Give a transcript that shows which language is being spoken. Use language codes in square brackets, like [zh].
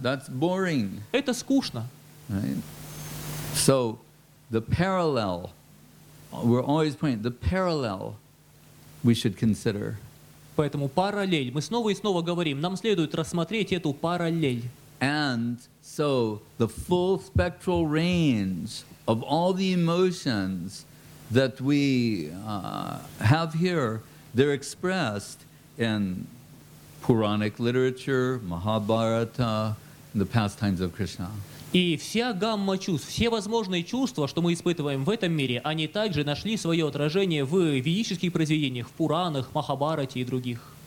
[en] That's boring. [ru] Это скучно. [en] Right? So the parallel, we're always pointing, the parallel we should consider. [ru] Поэтому параллель. Мы снова и снова говорим, нам следует рассмотреть эту параллель. [en] And so the full spectral range of all the emotions that we have here, they're expressed in Puranic literature, Mahabharata, the pastimes of Krishna. [ru] И вся гамма чувств, все возможные чувства, что мы испытываем в этом мире, они также нашли свое отражение в ведических произведениях, в Пуранах, Махабарате и других.